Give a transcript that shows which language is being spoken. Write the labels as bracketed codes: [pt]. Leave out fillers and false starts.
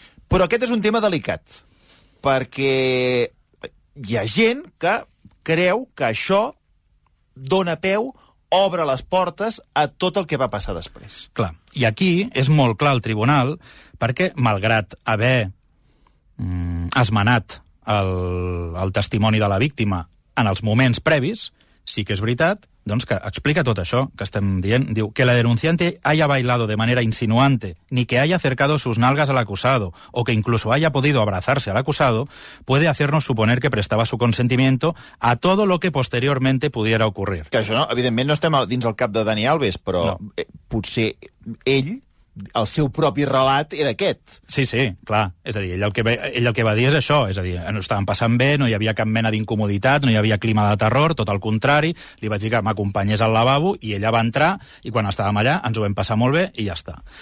[ca] Però aquest és un tema delicat, perquè hi ha gent que creu que això dona peu, obre les portes a tot el que va passar després. Clar, i aquí és molt clar el tribunal, perquè malgrat haver esmenat el testimoni de la víctima en els moments previs, sí que és veritat, doncs, que explica tot això que estem dient. [es] Diu que la denunciante haya bailado de manera insinuante, ni que haya acercado sus nalgas al acusado, o que incluso haya podido abrazarse al acusado, puede hacernos suponer que prestaba su consentimiento a todo lo que posteriormente pudiera ocurrir. [ca] Que això no, evidentment no estem dins el cap de Dani Alves, però potser ell, el seu propi relat era aquest. Sí, sí, clar. És a dir, ell el que va dir és això. És a dir, no estàvem passant bé, no hi havia cap mena d'incomoditat, no hi havia clima de terror, tot el contrari. Li vaig dir que m'acompanyés al lavabo i ella va entrar i quan estàvem allà ens ho vam passar molt bé i ja està.